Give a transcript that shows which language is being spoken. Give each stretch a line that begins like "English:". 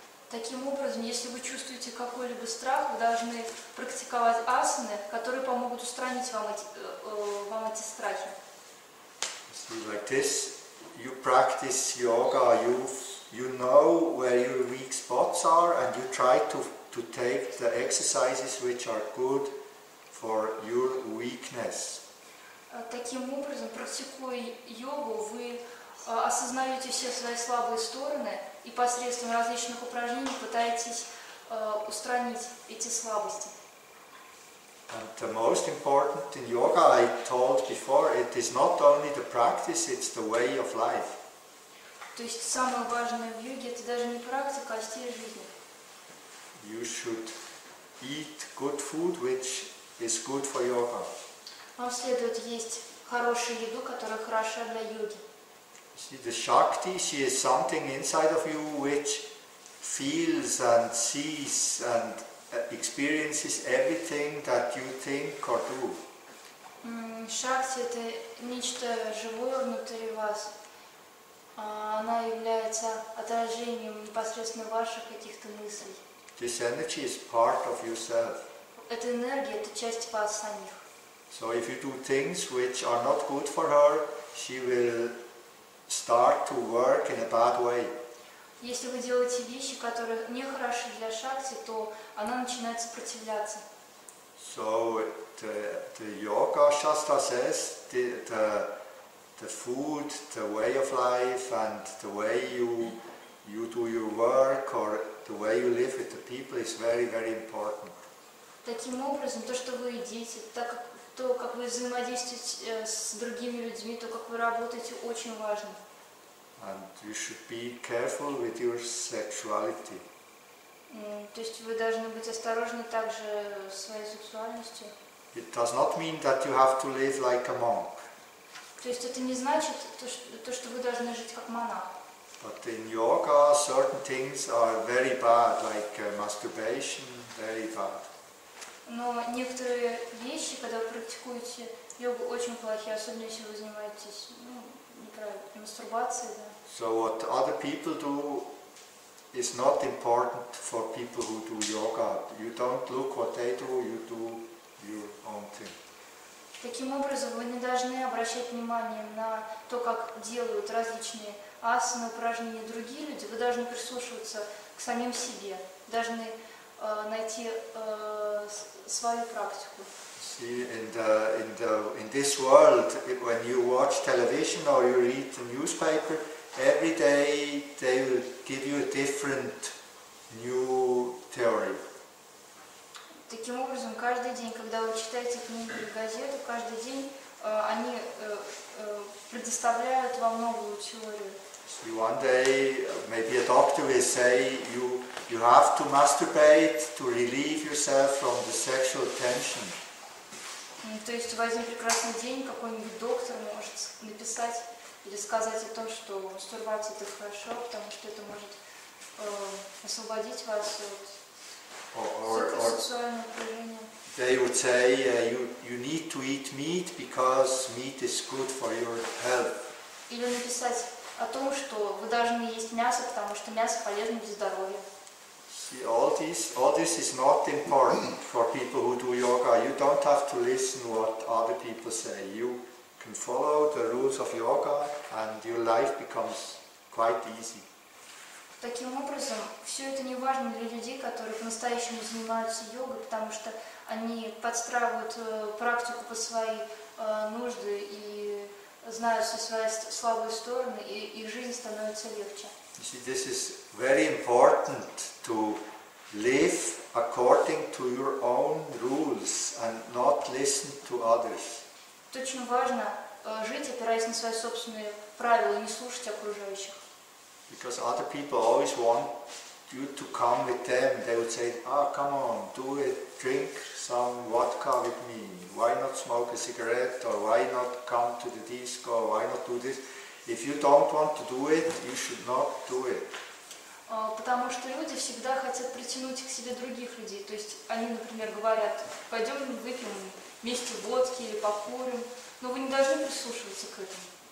Russian: Таким образом, если вы чувствуете какой-либо страх, вы должны практиковать асаны, которые помогут устранить вам эти страхи.
English: See, like this, you practice yoga, you know where your weak spots are, and you try to take the exercises which are good for your weakness.
Russian: Таким образом, практикуя йогу, вы осознаете все свои слабые стороны и посредством различных упражнений пытаетесь устранить эти слабости.
English: And the most important in yoga, I told before, it is not only the practice, it's the way of life.
Russian: То есть самое важное в йоге — это даже не практика, а стиль жизни.
English: You should eat good food, which is good for yoga.
Russian: Вам следует есть хорошую еду, которая хороша для йоги.
English: See, the Shakti, she is something inside of you which feels and sees and experiences everything that you think or do.
Russian: Шакти — это нечто живое внутри вас. Она является отражением непосредственно ваших каких-то мыслей.
English: This energy is part of yourself.
Russian: Эта энергия — это часть вас самих.
English: So if you do things which are not good for her, she will start to work in a bad way.
Russian: Если вы делаете вещи, которые не хороши для Шакти, то она начинает сопротивляться.
English: So the yoga shastra says the food, the way of life, and the way you do your work or the way you live with the people is very, very important.
Russian: Таким образом, то, что вы едите, то, как вы взаимодействуете с другими людьми, то, как вы работаете, очень важно.
English: And you should be careful with your sexuality.
Russian: То есть вы должны быть осторожны также со своей сексуальностью.
English: It does not mean that you have to live like a monk.
Russian: То есть это не значит то, что вы должны жить как монах.
English: But in yoga, certain things are very bad, like masturbation, very bad.
Russian: Но некоторые вещи, когда вы практикуете йогу, очень плохие, особенно если вы занимаетесь, неправильно, мастурбацией, да.
English: So what other people do is not important for people who do yoga. You don't look what they do, you do your own thing.
Russian: Таким образом, вы не должны обращать внимание на то, как делают различные асаны, упражнения другие люди. Вы должны прислушиваться к самим себе, должны найти свою практику.
English: See, in this world, when you watch television or you read the newspaper, every day they will give you a different new theory.
Russian: Таким образом, каждый день, когда вы читаете книги или газету, каждый день они предоставляют вам новую теорию.
English: See, one day, maybe a doctor will say you have to masturbate to relieve yourself from the sexual tension.
Russian: То есть в один прекрасный день какой-нибудь доктор может написать или сказать о том, что мастурбация — это хорошо, потому что это может освободить вас от сексуального напряжения.
English: They would say you need to eat meat because meat is good for your health.
Russian: Или написать о том, что вы должны есть мясо, потому что мясо полезно для здоровья.
English: See, all this is not important for people who do yoga. You don't have to listen what other people say. You can follow the rules of yoga and your life becomes quite easy.
Russian: Таким образом, все это не важно для людей, которые по-настоящему занимаются йогой, потому что они подстраивают практику по своей нужды и знают все свои слабые стороны, и их жизнь становится легче.
English: You see, this is very important to live according to your own rules and not listen to others.
Russian: Это очень важно жить, опираясь на свои собственные правила, и не слушать окружающих.
English: Because other people always want you to come with them. They would say, "Ah, oh, come on, do it, drink some vodka with me. Why not smoke a cigarette? Or why not come to the disco? Why not do this? If you don't want to do it, you should not do it."
Russian: Потому что люди всегда хотят притянуть к себе других людей. То есть они, например, говорят, пойдем выпьем вместе водки или покурим. Но вы не должны прислушиваться к этому.